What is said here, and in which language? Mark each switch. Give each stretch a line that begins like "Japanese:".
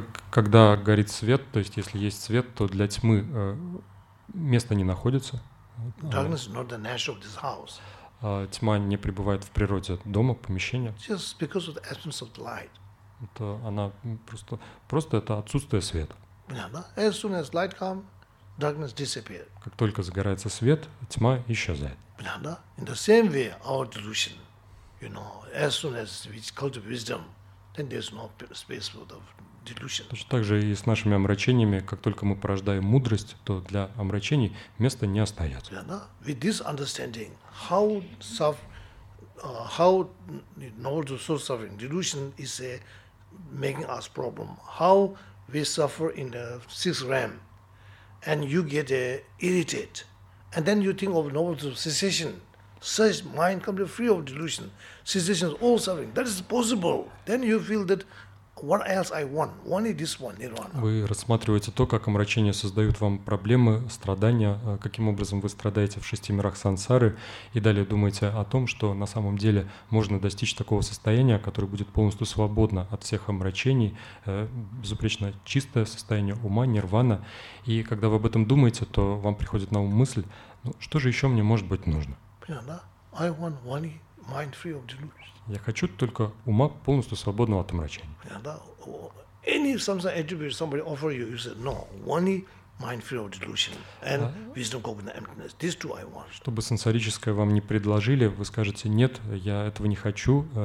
Russian: Когда горит свет, то есть если есть свет, то для тьмы места не находится.
English: Darkness is not the nature of this house.
Russian: тьма не пребывает в природе дома, помещения.
English: Just because of the absence of light.
Russian: Это она просто, просто это отсутствие света. Понятно?
English: As soon as light comes, darkness disappears.
Russian: Как только загорается свет, тьма исчезает. Понятно?
English: In the same way, our delusion, you know, as soon as we cultivate wisdom, then there's no space for the delusion.
Russian: Точно так же и с нашими омрачениями, как только мы порождаем мудрость, то для омрачений места не остается. Понятно?
English: With this understanding, how self, how knowledge of source suffering, delusion is a making us problem. How we suffer in the sixth realm, and you get irritated, and then you think of knowledge of cessation. Such mind completely free of delusion, cessation of all suffering. That is possible. Then you feel that what else I want? Only this one, nirvana.
Russian: Вы рассматриваете то, как омрачения создают вам проблемы, страдания, каким образом вы страдаете в шести мирах сансары, и далее думаете о том, что на самом деле можно достичь такого состояния, которое будет полностью свободно от всех омрачений, безупречно чистое состояние ума, нирвана. И когда вы об этом думаете, то вам приходит на ум мысль, ну, что же еще мне может быть нужно?
English: I want one mind free of delusion.
Russian: Я хочу только ума полностью свободного от омрачений.
English: Any samsara attribute somebody offer you, you say no. One mind free of delusion and wisdom cognizant emptiness. These two I want.
Russian: Чтобы сансарическое вам не предложили, вы скажете нет, я этого не хочу.